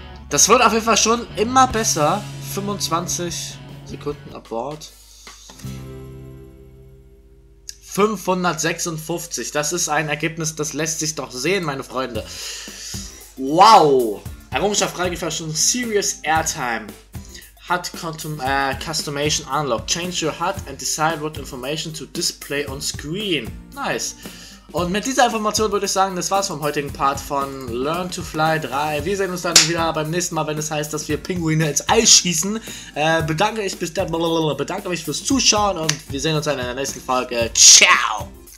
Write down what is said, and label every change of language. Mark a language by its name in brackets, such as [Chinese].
[German] Das wird auf jeden Fall schon immer besser. 25 Sekunden an Bord. 556. Das ist ein Ergebnis, das lässt sich doch sehen, meine Freunde. Wow. Errungenschaft freigeschaltet schon. Serious Airtime. [English] HUD Customization Unlock. Change your HUD and decide what information to display on screen. Nice. [German] Und mit dieser Information würde ich sagen, das war's vom heutigen Part von Learn to Fly 3. Wir sehen uns dann wieder beim nächsten Mal, wenn es heißt, dass wir Pinguine ins Ei schießen. Bedanke mich fürs Zuschauen und wir sehen uns dann in der nächsten Folge. Ciao!